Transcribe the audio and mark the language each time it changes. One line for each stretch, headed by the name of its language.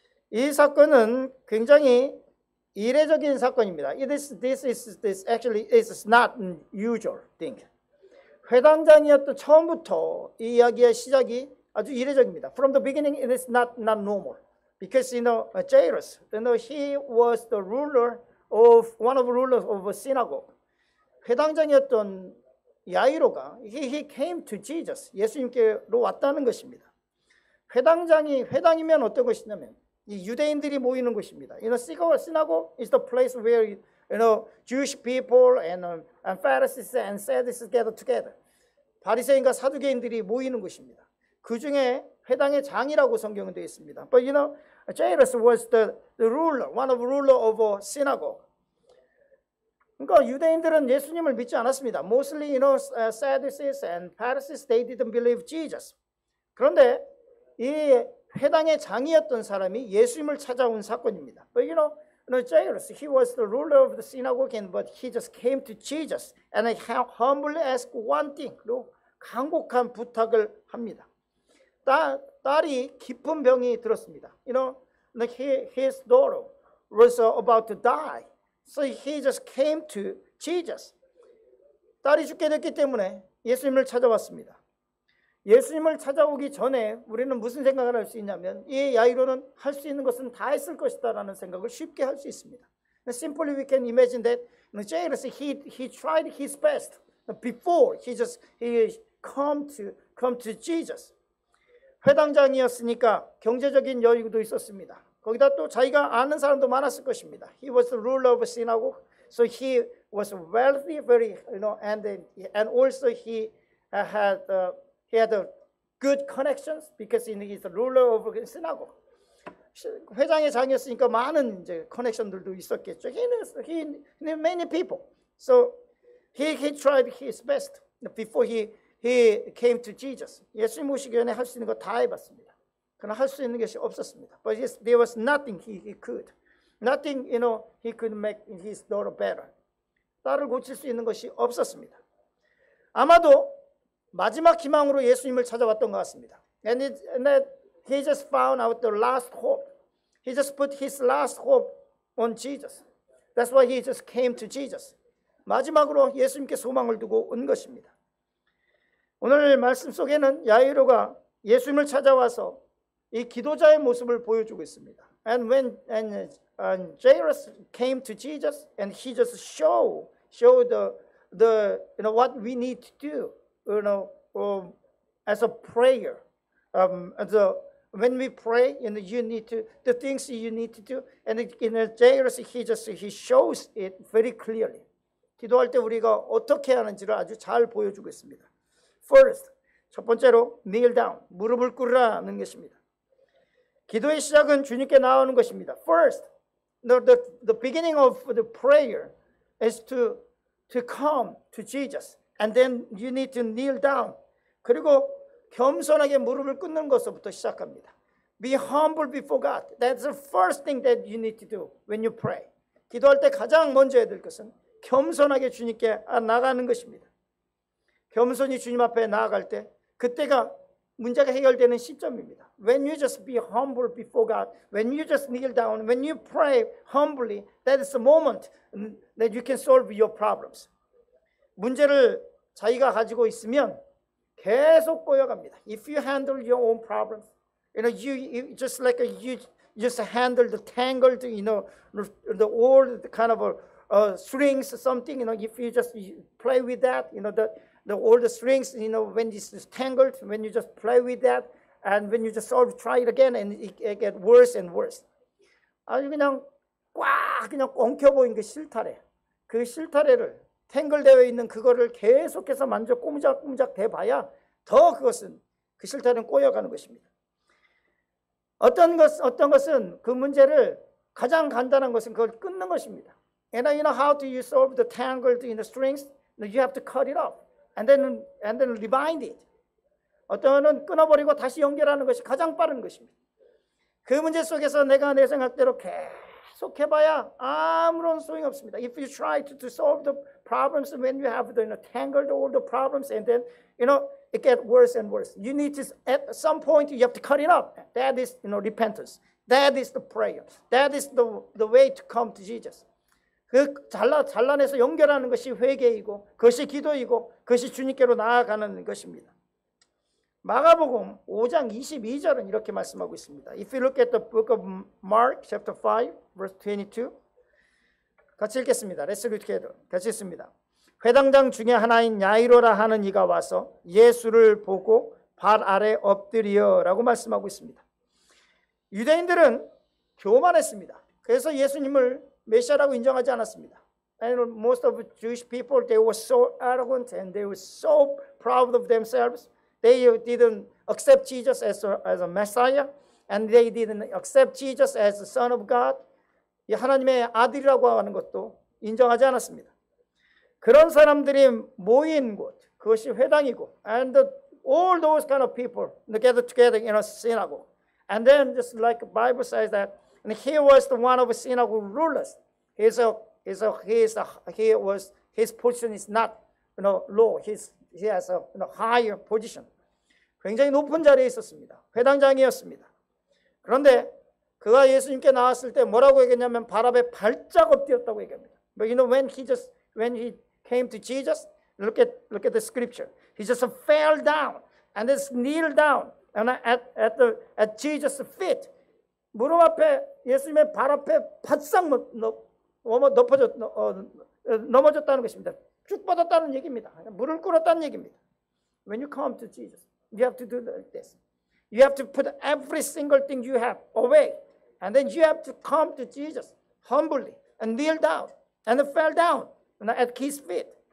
Korean: 이 사건은 굉장히 이례적인 사건입니다.
English: This actually is not usual thing.
Korean: 회당장이었던 처음부터 이 이야기의 시작이 아주 이례적입니다.
English: From the beginning, it is not normal. Because, you know, Jairus, you know, he was the ruler of one of the rulers of a synagogue.
Korean: 회당장이었던 야이로가
English: he came to Jesus.
Korean: 예수님께로 왔다는 것입니다. 회당장이 회당이면 어떤 것이냐면 이 유대인들이 모이는 곳입니다.
English: In a synagogue is the place where you know Jewish people and Pharisees and Sadducees gather together.
Korean: 바리새인과 사두개인들이 모이는 곳입니다. 그 중에 회당의 장이라고 성경은 되어 있습니다.
English: But you know, Jairus was the ruler, one of the ruler of a synagogue.
Korean: 그러니까 유대인들은 예수님을 믿지 않았습니다.
English: Mostly, you know, Sadducees and Pharisees, they didn't believe Jesus.
Korean: 그런데 이 회당의 장이었던 사람이 예수님을 찾아온 사건입니다.
English: But you know, Jairus, he was the ruler of the synagogue, but he just came to Jesus and he humbly asked one thing,
Korean: 간곡한 부탁을 합니다. 딸이 깊은 병이 들었습니다.
English: You know, his daughter was about to die. So he just came to Jesus.
Korean: 딸이 죽게 됐기 때문에 예수님을 찾아왔습니다. 예수님을 찾아오기 전에 우리는 무슨 생각을 할 수 있냐면 이 야이로는 할 수 있는 것은 다 했을 것이다 라는 생각을 쉽게 할 수 있습니다.
English: Simply we can imagine that Jairus, he tried his best before he just come to Jesus.
Korean: 회당장이었으니까 경제적인 여유도 있었습니다. 거기다 또 자기가 아는 사람도 많았을 것입니다.
English: He was the ruler of a synagogue, so he was wealthy, very, you know, and also he had good connections because he's the ruler of a synagogue.
Korean: 회장의 장이었으니까 많은 이제 커넥션들도 있었겠죠.
English: He knew many people, so he tried his best before he came to Jesus.
Korean: 예수님 오시기 전에 할 수 있는 거 다 해봤습니다. 그러나 할 수 있는 것이 없었습니다.
English: But there was nothing he could. Nothing, you know, he could make his daughter better.
Korean: 딸을 고칠 수 있는 것이 없었습니다. 아마도 마지막 희망으로 예수님을 찾아왔던 것 같습니다.
English: And he just found out the last hope. He just put his last hope on Jesus. That's why he just came to Jesus.
Korean: 마지막으로 예수님께 소망을 두고 온 것입니다. 오늘 말씀 속에는 야이로가 예수님을 찾아와서 이 기도자의 모습을 보여주고 있습니다.
English: And Jairus came to Jesus and he just showed the you know what we need to do you know as a prayer when we pray and you know, you need to the things you need to do and in Jairus he shows it very clearly.
Korean: 기도할 때 우리가 어떻게 하는지를 아주 잘 보여주고 있습니다.
English: First,
Korean: 첫 번째로
English: kneel down,
Korean: 무릎을 꿇으라는 것입니다. 기도의 시작은 주님께 나오는 것입니다.
English: First, the beginning of the prayer is to come to Jesus, and then you need to kneel down.
Korean: 그리고 겸손하게 무릎을 꿇는 것부터 시작합니다.
English: Be humble before God. That's the first thing that you need to do when you pray.
Korean: 기도할 때 가장 먼저 해야 될 것은 겸손하게 주님께 나가는 것입니다. 겸손히 주님 앞에 나아갈 때 그때가 문제가 해결되는 시점입니다.
English: When you just be humble before God, when you just kneel down, when you pray humbly, that is the moment that you can solve your problems.
Korean: 문제를 자기가 가지고 있으면 계속 꼬여갑니다.
English: If you handle your own problems, you know, you just handle the tangled, you know, the old kind of strings, something, you know, if you just play with that, you know, the old strings, you know, when this is tangled, when you just play with that, and when you just sort of try it again, and it get worse and worse.
Korean: 아주 그냥 꽉 그냥 엉켜 보인 그 실타래. 그 실타래를 탱글되어 있는 그거를 계속해서 만져 꼼작꼼작 대봐야 더 그것은 그 실타래는 꼬여가는 것입니다. 어떤 것은 그 문제를 가장 간단한 것은 그걸 끊는 것입니다.
English: And you know how do you solve the tangled in the strings? You have to cut it off. And then rebind it.
Korean: 어떤은 끊어버리고 다시 연결하는 것이 가장 빠른 것입니다. 그 문제 속에서 내가 내 생각대로 계속 해봐야 아무런 소용 없습니다.
English: If you try to solve the problems when you have the you know, tangled all the problems and then you know it get worse and worse. You need to at some point you have to cut it up. That is you know repentance. That is the prayer. That is the way to come to Jesus.
Korean: 그 잘라내서 연결하는 것이 회개이고 그것이 기도이고 그것이 주님께로 나아가는 것입니다. 마가복음 5장 22절은 이렇게 말씀하고 있습니다.
English: If you look at the book of Mark chapter 5 verse 22.
Korean: 같이 읽겠습니다.
English: Let's read together.
Korean: 같이 읽습니다. 회당장 중에 하나인 야이로라 하는 이가 와서 예수를 보고 발 아래 엎드려라고 말씀하고 있습니다. 유대인들은 교만했습니다. 그래서 예수님을 메시아라고 인정하지 않았습니다.
English: And most of Jewish people, they were so arrogant and they were so proud of themselves. They didn't accept Jesus as a Messiah, and they didn't accept Jesus as the Son of God.
Korean: 하나님의 아들이라고 하는 것도 인정하지 않았습니다. 그런 사람들이 모인 곳, 그것이 회당이고,
English: and all those kind of people gathered together in a synagogue. And then just like the Bible says that, and he was the one of the synagogue rulers. His position is not, you know, low. He has a, you know, higher position.
Korean: 굉장히 높은 자리에 있었습니다. 회당장이었습니다. 그런데 그가 예수님께 나왔을 때 뭐라고 얘기했냐면 발 앞에 발짝 엎드렸다고 얘기합니다.
English: But you know when he came to Jesus, look at the scripture. He just fell down and just kneeled down and at Jesus' feet.
Korean: 무릎 앞에 예수님의 발 앞에 바싹 넘어졌다는 것입니다. 쭉 뻗었다는 얘기입니다. 물을 끌었다는 얘기입니다.
English: When you come to Jesus, you have to do like this. You have to put every single thing you have away. And then you have to come to Jesus humbly and kneel down and fell down at his feet.